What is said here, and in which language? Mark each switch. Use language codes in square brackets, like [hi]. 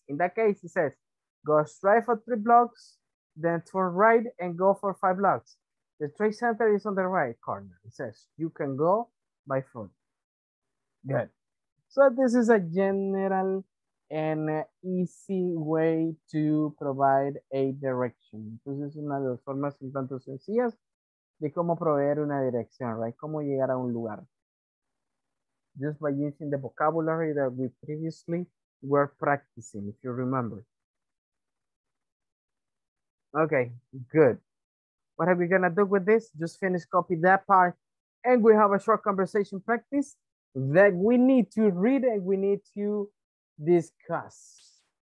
[en] In that case, it says, go straight for 3 blocks, then turn right and go for 5 blocks. The trade center is on the right corner. It says you can go by foot. Good. So this is a general and easy way to provide a direction. [es] Entonces es una de las formas un tanto sencillas de cómo proveer una dirección, right? Cómo llegar a un lugar. [en] Just by using the vocabulary that we previously were practicing, if you remember. Okay, good. What are we gonna do with this? Just finish copy that part. And we have a short conversation practice that we need to read and we need to discuss.